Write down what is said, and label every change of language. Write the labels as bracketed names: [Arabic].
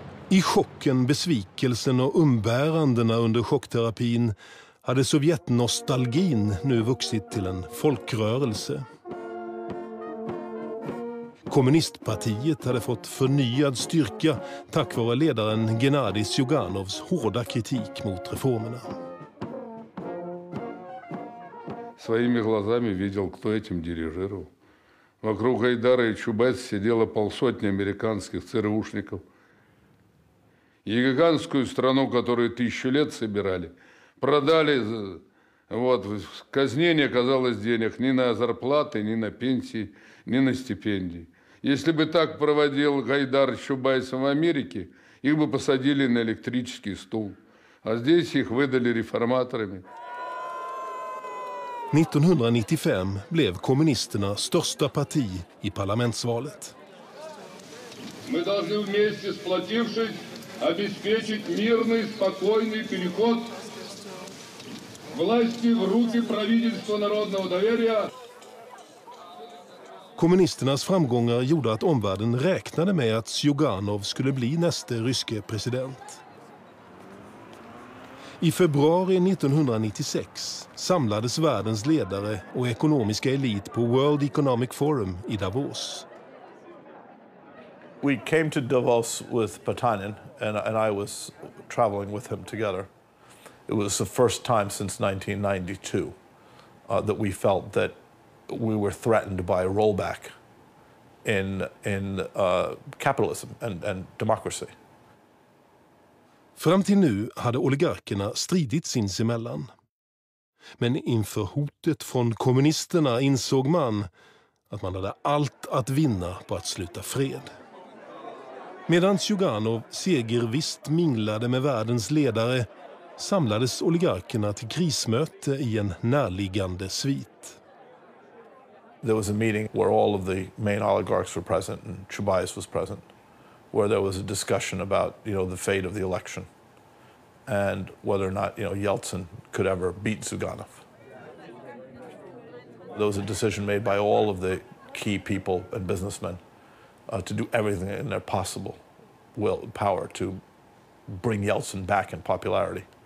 [Swedish] I chocken, besvikelsen och umbärandena under chockterapin hade sovjetnostalgin nu vuxit till en folkrörelse. Kommunistpartiet hade fått förnyad styrka tack vare ledaren Gennadij Zjuganovs hårda kritik mot reformerna. [Russian] Своими глазами видел, кто этим дирижировал. Вокруг Гайдара и Чубайса сидело полсотни американских ЦРУшников. И гигантскую страну, которую 1000 лет собирали, продали. Вот, казне не оказалось денег ни на зарплаты, ни на пенсии, ни на стипендии. Если бы так проводил Гайдар с Чубайсом в Америке, их бы посадили на электрический стул. А здесь их выдали реформаторами. [Swedish] 1995 blev kommunisterna största parti i parlamentsvalet. [Russian] Мы должны вместе, сплотившись, обеспечить мирный, спокойный переход власти в руки правительства народного доверия. [Swedish] Kommunisternas framgångar gjorde att omvärlden räknade med att Zjuganov skulle bli nästa ryske president. I februari 1996 samlades världens ledare och ekonomiska elit på World Economic Forum i Davos. [English] We came to Davos with Potanin, and I was traveling with him together. It was the first time since 1992 that we felt that we were threatened by a rollback in capitalism and democracy. [Swedish] Fram till nu hade oligarkerna stridit sinsemellan. Men inför hotet från kommunisterna insåg man att man hade allt att vinna på att sluta fred. Medan Zhuganov segervisst minglade med världens ledare samlades oligarkerna till krismöte i en närliggande svit. [English] There was a meeting where all of the main oligarchs were present and Chubais was present, where there was a discussion about, you know, the fate of the election and whether or not, you know, Yeltsin could ever beat Zhuganov. There was a decision made by all of the key people and businessmen to do everything in their possible will power to bring Yeltsin back in popularity.